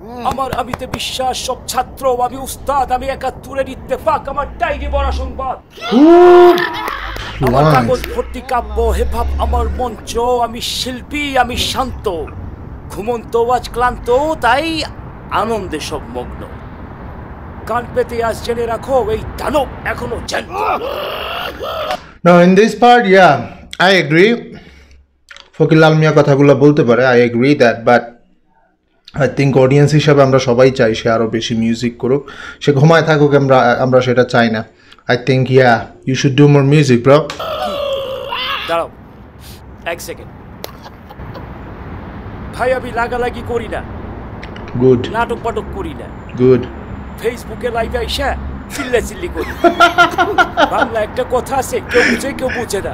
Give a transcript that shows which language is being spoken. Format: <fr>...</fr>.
<bn>আমার আমিতে বিশ্বাস, সব ছাত্র, আমি উস্তাদ, আমি একাত্তরের ইত্তেফাক, আমার ডায়েরি বড় সংবাদ, আমার কাগজ ভর্তি কাব্য, হে ভাব আমার মঞ্চ, আমি শিল্পী, আমি শান্ত, ঘুমন্ত আজ ক্লান্ত, তাই আনন্দে সব মগ্ন, কান পেতে আজ জেনে রাখো এই দানব এখনো জান।</bn> <en>now in this part, yeah I agree,</en> <bn>ফকির লাল মিয়া কথাগুলো বলতে পারে,</bn> <en>I agree that, but I think</en> <bn>audience হিসাবে আমরা সবাই চাই সে আরও বেশি মিউজিক করুক, সে ঘুমায় থাকুক, আমরা সেটা চাই না।</bn> <en>I think, yeah, you should do more music, bro.</en> <bn>দাঁড়াও এক সেকেন্ড ভাই, আমি লাগালাগি করি না, গুড, নাটক পাটক করি না, গুড, ফেসবুকে লাইভ আইসা চিল্লে চিল্লি করি, বাংলা একটা কথা আছে কেউ বুঝে কেউ বুঝে না,</bn>